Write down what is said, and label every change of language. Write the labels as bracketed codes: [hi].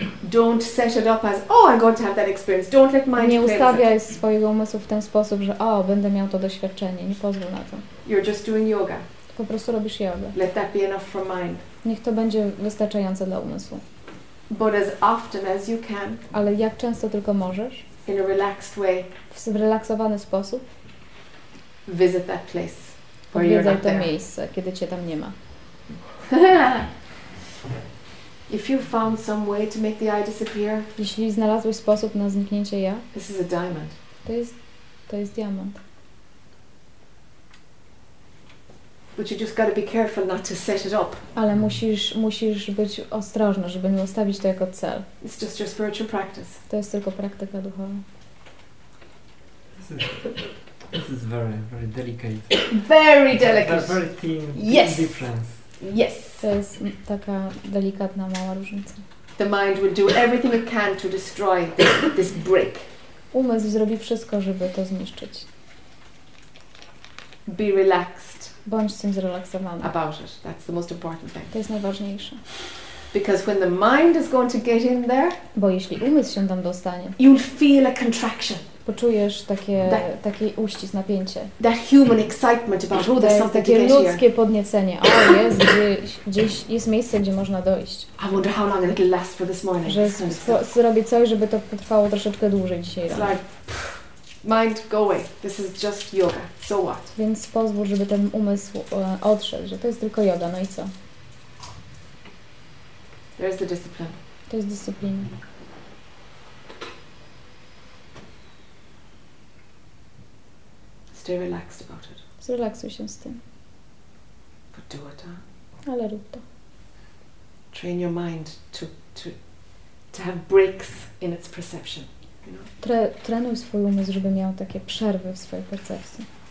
[en] Don't set it up as, oh, I'm going to have that experience. Don't let mind. [pl] Nie ustawiaj swojego umysłu w ten sposób, że, o, będę miał to doświadczenie. Nie pozwól na to. [en] You're just doing yoga. [pl] Po prostu robisz jogę. [en] Let that be enough for mind. [pl] Niech to będzie wystarczające dla umysłu. [en] But as often as you can. [pl] Ale jak często tylko możesz. [en] In a relaxed way. [pl] W zrelaksowany sposób. [en] Visit that place. [pl] Odwiedzaj to miejsce, kiedy cię tam nie ma. [en] If you found some way to make the eye disappear. [pl] Jeśli znalazłeś sposób na zniknięcie ja. [en] This is a diamond. [pl] To jest diament. [en] But you just gotta be careful not to set it up. [pl] Ale musisz być ostrożny, żeby nie ustawić to jako cel. [en] It's just your spiritual practice. [pl] To jest tylko praktyka duchowa. [en] This is very, very delicate. Very delicate. A very thin yes. difference. Yes. [pl] To jest taka delikatna, mała różnica. [en] The mind will do everything it can to destroy this break. [pl] Umysł zrobi wszystko, żeby to zniszczyć. [en] Be relaxed. [pl] Bądź z tym zrelaksowana. [en] About it. That's the most important thing. [pl] To jest najważniejsze. [en] Because when the mind is going to get in there, [pl] bo jeśli umysł się tam dostanie, [en] you'll feel a contraction. [pl] Poczujesz takie, taki uścisk, napięcie. [en] That human excitement about, oh, there's something to get here. [pl] Takie ludzkie podniecenie. O, jest gdzieś, gdzieś jest miejsce, gdzie można dojść. [en] I wonder how long it'll last for this morning. [pl] Że zrobię coś, żeby to potrwało troszeczkę dłużej dzisiaj rano. [en] It's like, mind, go away. This is just yoga. So what? [pl] Więc pozwól, żeby ten umysł odszedł, że to jest tylko yoga. No i co? [en] There's the discipline. [pl] To jest dyscyplina. [en] Stay relaxed about it. [pl] Zrelaksuj się z tym. [en] But do it, huh? [pl] Ale rób to. [en] Train your mind to have breaks in its perception. [pl] Trenuj swój umysł, żeby miał takie przerwy w swojej percepcji.